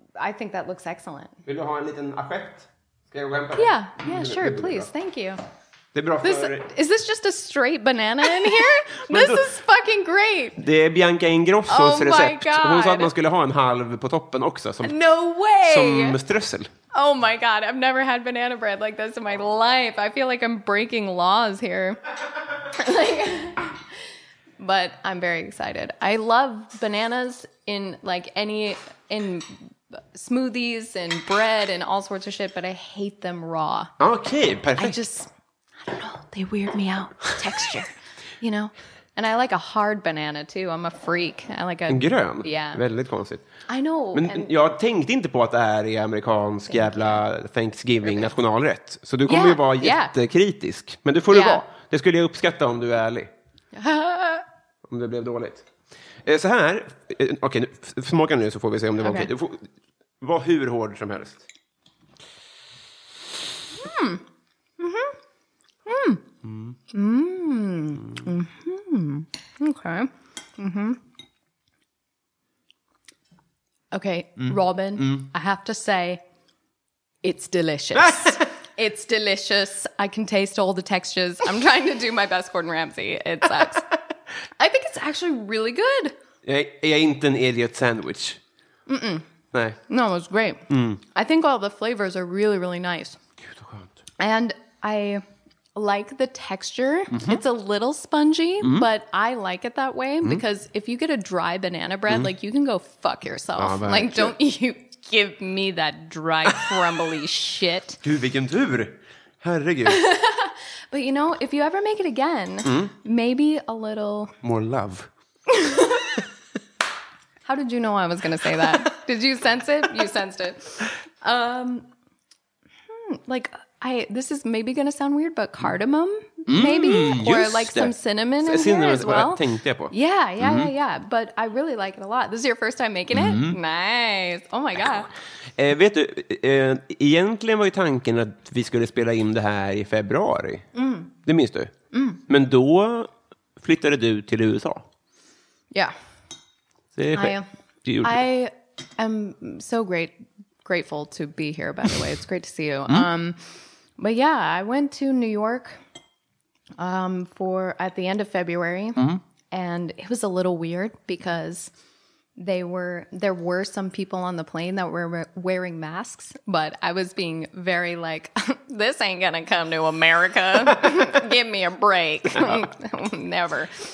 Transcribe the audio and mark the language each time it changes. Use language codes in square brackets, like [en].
[en] I think that looks excellent. [sv] Vill du ha en liten assiett? Ska jag gå hem? [en] Yeah, yeah, sure, please. Thank you. [sv] Det är bra för [en] this, is this just a straight banana in here? This is fucking great. [sv] Det är Bianca Ingrossos oh recept. God. Hon sa att man skulle ha en halv på toppen också som [en] no way. [sv] Som strössel. [en] Oh my god, I've never had banana bread like this in my life. I feel like I'm breaking laws here. But I'm very excited. I love bananas in like any in smoothies and bread and all sorts of shit, but I hate them raw. Okay, perfect. I don't know, they weird me out. Texture, you know. And I like a hard banana too. I'm a freak. I like a [sv] grön. [en] Yeah. [sv] Väldigt konstigt. [en] I know. [sv] Men jag tänkte inte på att det här är amerikansk jävla Thanksgiving nationalrätt. Så du kommer ju vara jättekritisk. Men det får du vara. Det skulle jag uppskatta om du är ärlig. Om det blev dåligt. Så här. Okej, smaka nu så får vi se om det var okej. Du får vara hur hård som helst. Mm. Mm-hmm. Mm. Mm. Mm. Okay. [en] Okay, Robin, I have to say it's delicious. It's delicious. I can taste all the textures. I'm trying to do my best Gordon Ramsay. It sucks. I think it's actually really good. [sv] Jag är inte en [en] idiot sandwich. Mm-mm. [sv] Nej. [en] No, it was great. I think all the flavors are really, really nice. [sv] Gud, vad skönt. [en] And I like the texture. Mm-hmm. It's a little spongy, but I like it that way because if you get a dry banana bread, like you can go fuck yourself. Ah, like, don't you give me that dry, crumbly shit. [sv] Gud, vilken tur. Herregud. [en] But you know, if you ever make it again, maybe a little... More love. How did you know I was going to say that? Did you sense it? You sensed it. Like... this is maybe going to sound weird, but cardamom, maybe, or like some cinnamon in here as well. Yeah. But I really like it a lot. This is your first time making it? Nice. Oh my god. [sv] Vet du, egentligen var ju tanken att vi skulle spela in det här i februari. Det minns du. Men då flyttade du till USA. [en] Yeah. I am so grateful to be here, by the way. It's great to see you. But yeah, I went to New York for at the end of February, and it was a little weird because there were some people on the plane that were wearing masks, but I was being very like, this ain't gonna come to America. Give me a break. Never.